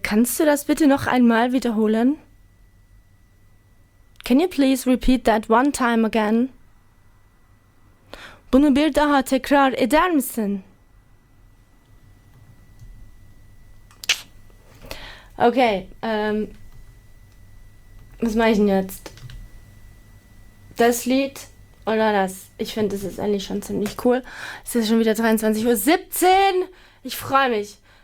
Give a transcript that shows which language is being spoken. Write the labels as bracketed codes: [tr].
[de] Kannst du das bitte noch einmal wiederholen? [en] Can you please repeat that one time again? [tr] Bunu bir daha tekrar eder misin? [de] Okay, was mache ich denn jetzt? Das Lied oder das? Ich finde, das ist eigentlich schon ziemlich cool. Es ist schon wieder 23.17 Uhr. Ich freue mich.